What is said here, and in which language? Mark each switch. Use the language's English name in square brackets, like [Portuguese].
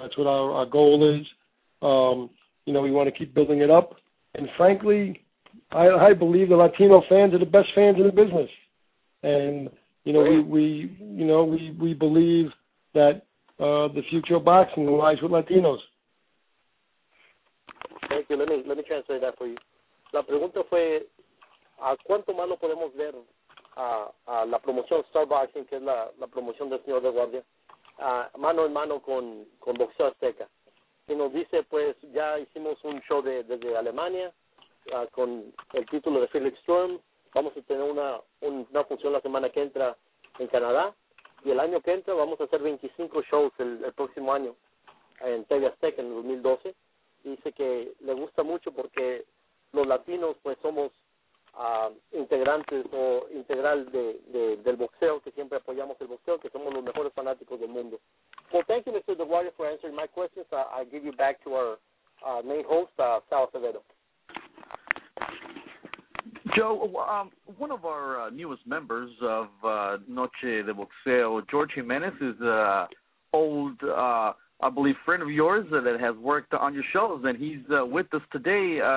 [English] That's what our goal is. You know, we want to keep building it up. And frankly, I believe the Latino fans are the best fans in the business. And, you know, we believe that the future of boxing lies with Latinos. Thank you. Let me translate that for you. [Spanish] La pregunta fue, ¿a cuánto más lo podemos ver a la promoción Star Boxing, que es la promoción del señor de Guardia, mano en mano con Boxeo Azteca? Y nos dice, pues, ya hicimos un show desde Alemania con el título de Felix Sturm. Vamos a tener una función la semana que entra en Canadá. Y el año que entra vamos a hacer 25 shows el próximo año en TV Azteca en 2012. Dice que le gusta mucho porque los latinos, pues, somos integrantes o integral del boxeo, que siempre apoyamos el boxeo, que somos los mejores fanáticos del mundo. [English] Well, thank you, Mr. DeGuaglia, for answering my questions. I give you back to our main host, Sal Acevedo. Joe, one of our newest members of Noche de Boxeo, George Jimenez, is an old I believe, friend of yours that has worked on your shows, and he's with us today.